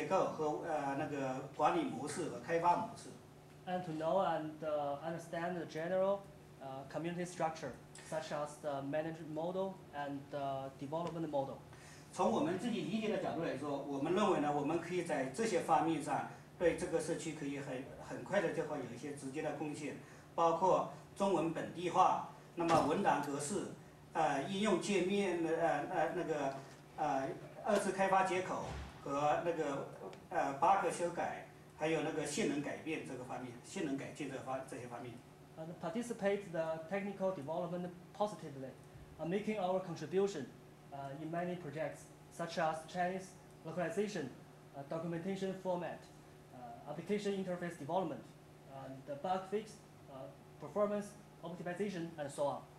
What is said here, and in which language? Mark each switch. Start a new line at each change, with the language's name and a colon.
Chinese: 了解和理解一下那个社区的一些组织结构和那个管理模式和开发模式。
English: And to know and understand the general community structure, such as the management model and the development model.
Chinese: 从我们自己理解的角度来说，我们认为呢，我们可以在这些方面上对这个社区可以很快的就会有一些直接的贡献，包括中文本地化，那么文档格式。应用界面的二次开发接口和那个bug 修改，还有那个性能改变这些方面。
English: And participate the technical development positively, making our contribution in many projects such as Chinese localization, documentation format, application interface development, and the bug fix, performance optimization, and so on.